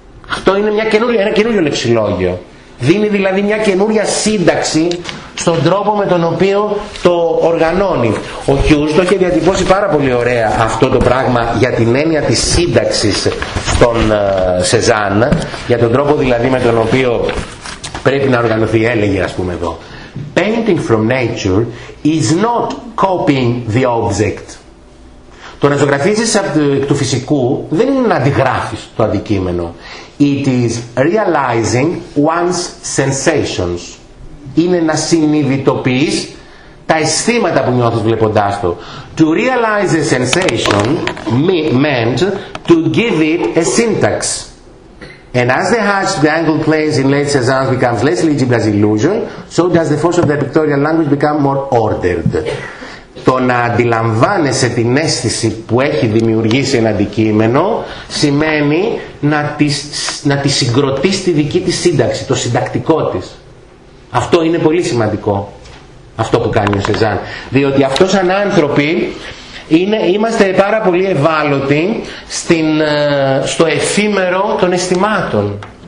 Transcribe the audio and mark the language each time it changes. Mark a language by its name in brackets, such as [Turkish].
[Greek] Αυτό είναι ένα καινούριο λεξιλόγιο. Δίνει δηλαδή μια καινούρια σύνταξη στον τρόπο με τον οποίο το οργανώνει. Ο Χιούς το είχε διατυπώσει πάρα πολύ ωραία αυτό το πράγμα για την έννοια της σύνταξης στον Σεζάν, για τον τρόπο δηλαδή με τον οποίο πρέπει να οργανωθεί, έλεγε ας πούμε εδώ. [English] Painting from nature is not copying the object. [Greek] Το να ζωγραφίζεις εκ του φυσικού δεν είναι να αντιγράφεις το αντικείμενο. [English] It is realizing one's sensations. [Greek] Είναι να συνειδητοποιείς τα αισθήματα που νιώθεις βλέποντάς το. [English] To realize a sensation meant to give it a syntax. And as the hatched triangle plays in late Cezanne becomes less legible as illusion, so does the force of the pictorial language become more ordered. [Greek] Το να αντιλαμβάνεσαι την αίσθηση που έχει δημιουργήσει ένα αντικείμενο σημαίνει να τη συγκροτείς τη δική της σύνταξη, το συντακτικό της. Αυτό είναι πολύ σημαντικό, αυτό που κάνει ο Σεζάν. Διότι αυτό σαν άνθρωποι είμαστε πάρα πολύ ευάλωτοι στο εφήμερο των αισθημάτων.